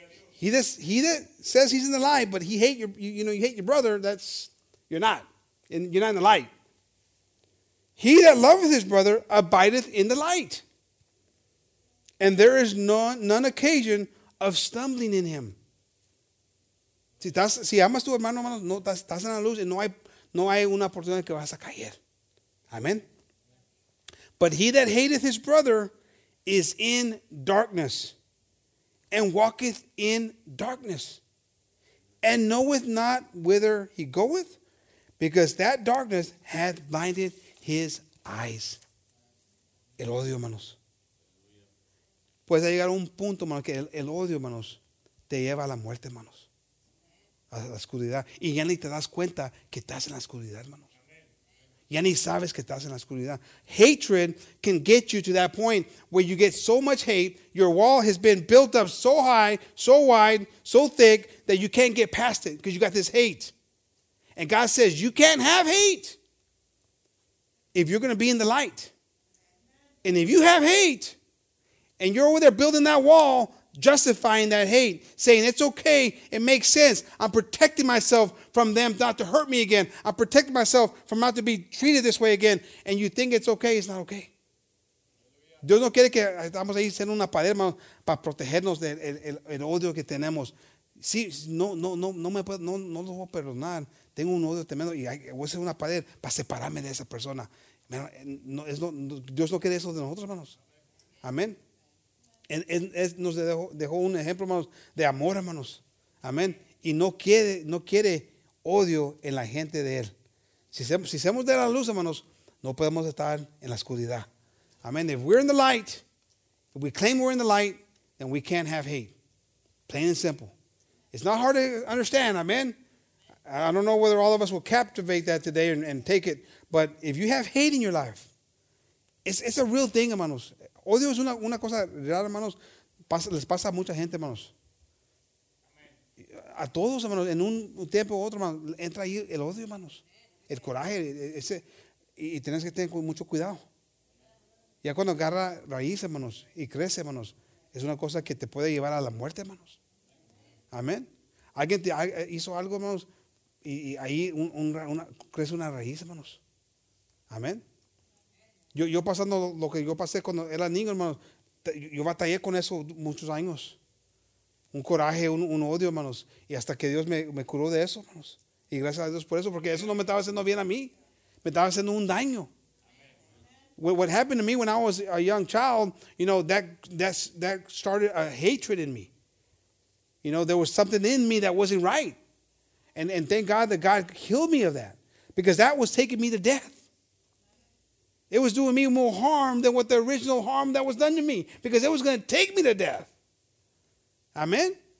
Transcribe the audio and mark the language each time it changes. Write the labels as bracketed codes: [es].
[en] He that says he's in the light, but he hate your, you know, you hate your brother, that's, you're not. And you're not in the light. He that loveth his brother abideth in the light. And there is none occasion of stumbling in him. [es] Si amas tu hermano, hermano, no estás en la luz y no hay una oportunidad que vas a caer. [en] Amen. But he that hateth his brother is in darkness and walketh in darkness and knoweth not whither he goeth, because that darkness hath blinded his eyes. [es] El odio, hermanos. Puede llegar a un punto, hermanos, que el odio, hermanos, te lleva a la muerte, hermanos. A la oscuridad. Y ya ni te das cuenta que estás en la oscuridad, hermanos. Ya ni sabes que estás en la oscuridad. [en] Hatred can get you to that point where you get so much hate, your wall has been built up so high, so wide, so thick, that you can't get past it because you got this hate. And God says, you can't have hate if you're going to be in the light. And if you have hate, and you're over there building that wall, justifying that hate, saying it's okay, it makes sense. I'm protecting myself from them not to hurt me again. I'm protecting myself from not to be treated this way again. And you think it's okay, it's not okay. [es] Dios no quiere que estamos ahí siendo una pared para protegernos del odio que tenemos. Sí, no lo voy a perdonar. Tengo un odio tremendo y voy a ser una pared para separarme de esa persona. Dios no quiere eso de nosotros, hermanos. Amén. Nos dejó un ejemplo, hermanos, de amor, hermanos. Amén. Y no quiere odio en la gente de él. Si somos de la luz, hermanos, no podemos estar en la oscuridad. Amén. [en] If we're in the light, if we claim we're in the light, then we can't have hate. Plain and simple. It's not hard to understand. Amén. I don't know whether all of us will captivate that today and take it, but if you have hate in your life, it's a real thing, hermanos. [es] Odio es una cosa real, hermanos. Les pasa a mucha gente, hermanos. A todos, hermanos, en un tiempo u otro, hermanos, entra ahí el odio, hermanos. El coraje, ese, y tienes que tener mucho cuidado. Ya cuando agarra raíz, hermanos, y crece, hermanos, es una cosa que te puede llevar a la muerte, hermanos. Amén. Alguien te hizo algo, hermanos, y ahí crece una raíz, hermanos. Amén. Yo pasando lo que yo pasé cuando era niño, hermanos, yo batallé con eso muchos años. Un coraje, un odio, hermanos. Y hasta que Dios me curó de eso, hermanos. Y gracias a Dios por eso, porque eso no me estaba haciendo bien a mí. Me estaba haciendo un daño. [en] What happened to me when I was a young child, you know, that started a hatred in me. You know, there was something in me that wasn't right. And thank God that God healed me of that. Because that was taking me to death. It was doing me more harm than what the original harm that was done to me, because it was going to take me to death. Amen?